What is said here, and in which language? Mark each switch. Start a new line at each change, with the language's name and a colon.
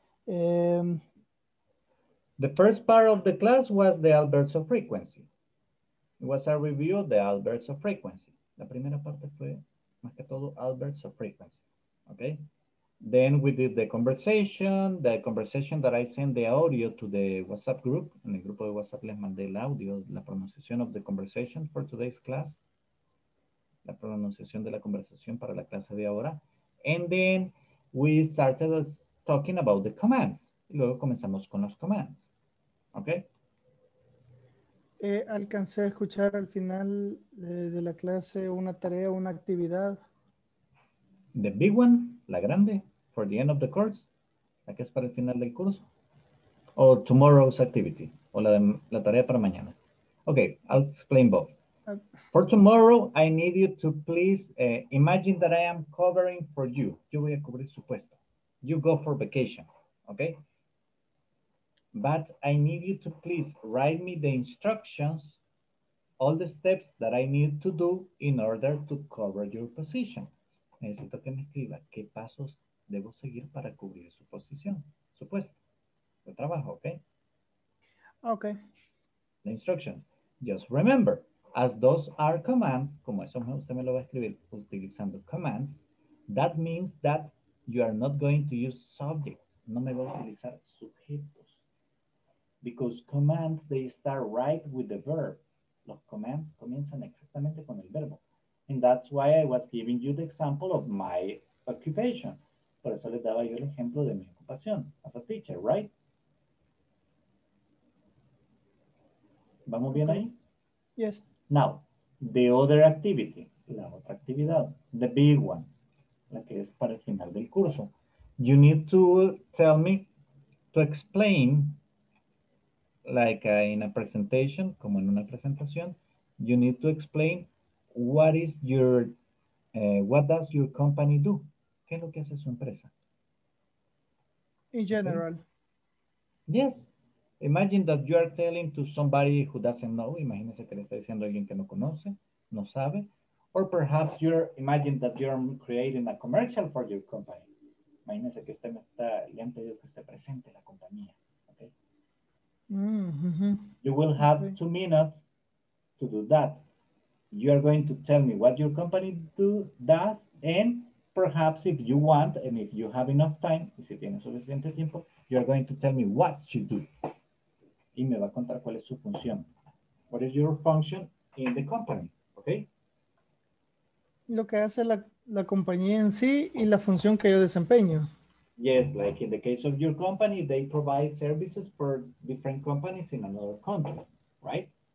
English: The first part of the class was the albergs of frequency. It was a review of the albergs of frequency.
Spanish: La primera parte fue más que todo albergs
English: of frequency. Okay. Then we did the conversation that I sent the audio to the WhatsApp group.
Spanish: En el grupo de WhatsApp les mandé el audio, la pronunciación
English: of the conversation for today's class.
Spanish: La pronunciación de la conversación para la clase de ahora.
English: And then we started talking about the commands.
Spanish: Y luego comenzamos con los commands. Okay. Alcancé a escuchar al final de la clase una tarea, una actividad.
English: The big one,
Spanish: la grande,
English: for the end of the course,
Spanish: la que es para el final del curso, o
English: tomorrow's activity,
Spanish: o la tarea para mañana.
English: Okay, I'll explain both. For tomorrow, I need you to please imagine that I am covering for you.
Spanish: Yo voy a cubrir su puesto.
English: You go for vacation, okay? But I need you to please write me the instructions, all the steps that I need to do in order to cover your position.
Spanish: Necesito que me escriba qué pasos debo seguir para cubrir su posición, su puesto de trabajo, ¿ok? Ok.
English: The instruction. Just remember, as those are commands,
Spanish: como eso usted me lo va a escribir utilizando commands,
English: that means that you are not going to use subjects.
Spanish: No me va a utilizar sujetos.
English: Because commands, they start right with the verb.
Spanish: Los commands comienzan exactamente con el verbo.
English: And that's why I was giving you the example of my occupation.
Spanish: Por eso les daba yo el ejemplo de mi ocupación
English: as a teacher, right?
Spanish: ¿Vamos bien ahí?
English: Yes. Now, the other activity,
Spanish: la otra actividad,
English: the big one,
Spanish: la que es para el final del curso.
English: You need to tell me to explain like in a presentation,
Spanish: como en una presentación,
English: you need to explain what is your, what does your company do?
Spanish: ¿Qué es lo que hace su empresa?
English: In general. Yes. Imagine that you are telling to somebody who doesn't know.
Spanish: Imagínese que le está diciendo a alguien que no conoce, no sabe.
English: Or perhaps you're, imagine that you're creating a commercial for your company.
Spanish: Imagínese que usted me está, le han pedido que usted presente la compañía.
English: Okay. Mm-hmm. You will have 2 minutes to do that. You are going to tell me what your company does, and perhaps if you want, and if you have enough time,
Spanish: y si tiene suficiente tiempo,
English: you are going to tell me what you do.
Spanish: Y me va a contar cuál es su función.
English: What is your function in the company? Okay.
Spanish: Lo que hace la compañía en sí y la función que yo desempeño.
English: Yes, like in the case of your company, they provide services for different companies in another country, right?